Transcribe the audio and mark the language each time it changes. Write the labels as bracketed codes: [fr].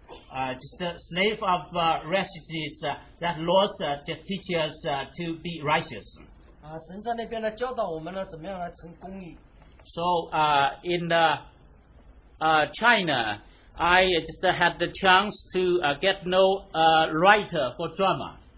[en] Just the slave of righteousness that Lord just teach us to be righteous. [zh] 神在那边呢教导我们呢怎么样来成功义。 [en] So, in the, China, I just had the chance to get to know a writer for drama.